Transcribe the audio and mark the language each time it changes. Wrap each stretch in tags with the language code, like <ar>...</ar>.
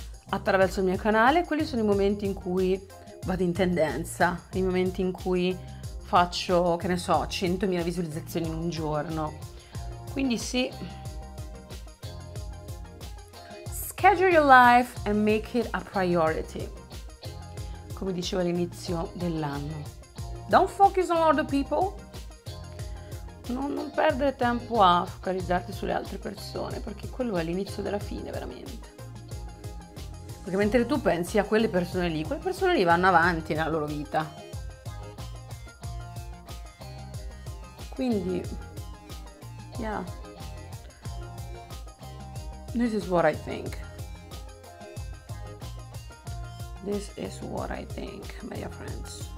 <it>Attraverso il mio canale, quelli sono i momenti in cui vado in tendenza, i momenti in cui faccio, che ne so, 100.000 visualizzazioni in un giorno. Quindi sì,</it> <en>schedule your life and make it a priority,</en> <it>come dicevo all'inizio dell'anno.</it> <en>Don't focus on other people.</en> <it>Non perdere tempo a focalizzarti sulle altre persone, perché quello è l'inizio della fine, veramente. Perché mentre tu pensi a quelle persone lì vanno avanti nella loro vita.</it> <en>Quindi, yeah, this is what I think. This is what I think, my dear friends.</en>